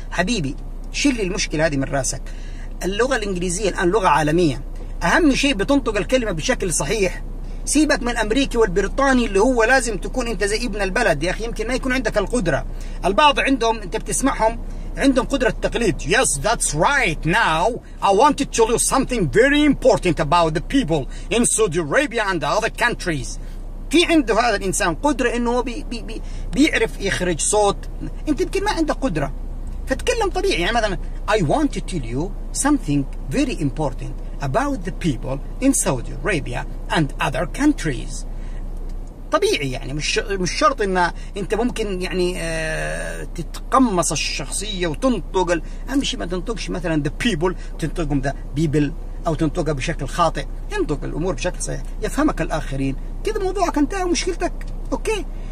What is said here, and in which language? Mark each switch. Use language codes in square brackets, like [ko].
[ar] حبيبي شيل المشكلة هذه من راسك، اللغة الإنجليزية الآن لغة عالمية، أهم شيء بتنطق الكلمة بشكل صحيح. سيبك من الأمريكي والبريطاني اللي هو لازم تكون أنت زي ابن البلد يا أخي، يمكن ما يكون عندك القدرة. البعض عندهم أنت بتسمعهم عندهم قدرة التقليد. [en] Yes, that's right. Now I want to tell you something very important about the people in Saudi Arabia and the other countries. [ar] في عنده هذا الإنسان قدرة إنه بي بي بي بيعرف يخرج صوت. أنت يمكن ما عندك قدرة فتكلم طبيعي، يعني مثلا [en] I want to tell you something very important about the people in Saudi Arabia and other countries. [ar] طبيعي يعني مش شرط ان انت ممكن يعني تتقمص الشخصية وتنطق، اهم شيء ما تنطقش مثلا [en] the people، [ar] تنطقهم the people او تنطقها بشكل خاطئ، انطق الامور بشكل صحيح يفهمك الاخرين، كذا موضوعك انتهى ومشكلتك اوكي.